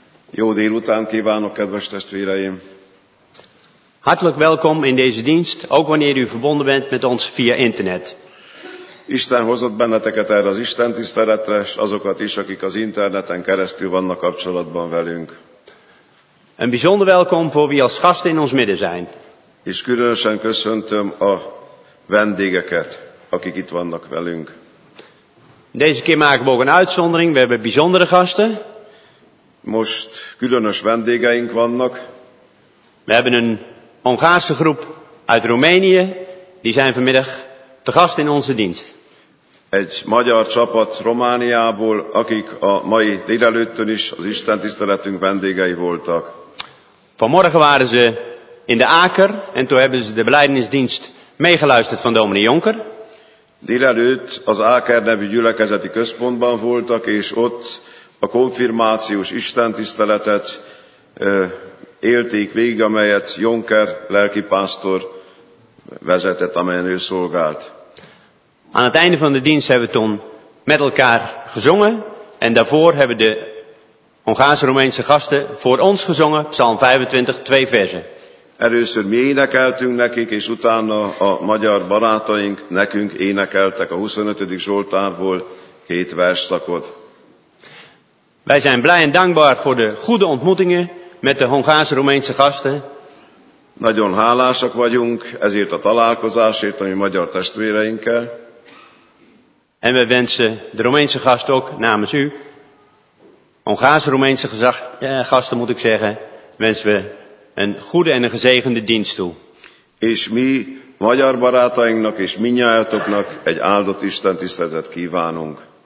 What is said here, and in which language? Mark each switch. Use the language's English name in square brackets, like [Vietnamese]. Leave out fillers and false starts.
[Hungarian] Jó délután kívánok, kedves testvéreim. [Dutch] Hartelijk welkom in deze dienst, ook wanneer u verbonden bent met ons via internet. [Hungarian] Isten hozott benneteket erre az Isten tiszteletre, és azokat is, akik az interneten keresztül vannak kapcsolatban velünk. [Dutch] Een bijzonder welkom voor wie als gast in ons midden zijn. [Hungarian] És különösen köszöntöm a vendégeket, akik itt vannak velünk. [Dutch] Deze keer maken we ook een uitzondering. We hebben bijzondere gasten. [Hungarian] Most különös vendégeink vannak. [Dutch] We hebben een Hongaarse groep uit Roemenië. Die zijn vanmiddag te gast in onze dienst. [Hungarian] Egy magyar csapat Romániából, akik a mai délelőttön is az Isten tiszteletünk vendégei voltak. [Dutch] Vanmorgen waren ze in de Aker en toen hebben ze de belijdenisdienst meegeluisterd van dominee Jonker. [Hungarian] Délelőtt az Áker nevű gyülekezeti központban voltak, és ott a konfirmációs istentiszteletet élték végig, amelyet Jonker lelkipásztor vezetett, amelyen ő szolgált. [Dutch] Aan het einde van de dienst hebben we toen met elkaar gezongen, en daarvoor hebben de Hongaarse-Roemeense gasten voor ons gezongen, Psalm 25, twee versen. [Hungarian] Először mi énekeltünk nekik, és utána a magyar barátaink nekünk énekeltek a 25. Zsoltárból két versszakot. [Dutch] Wij zijn blij en dankbaar voor de goede ontmoetingen met de Hongaarse-Roemeense gasten. [Hungarian] Nagyon hálásak vagyunk ezért a találkozásért a mi magyar testvéreinkkel. [Dutch] En we wensen de Roemeense gasten ook namens u, Hongaarse-Roemeense gasten moet ik zeggen, wensen we een goede en een gezegende dienst toe. [Hungarian] És mi magyar barátainknak és minnyájatoknak egy áldott istentiszteletet kívánunk.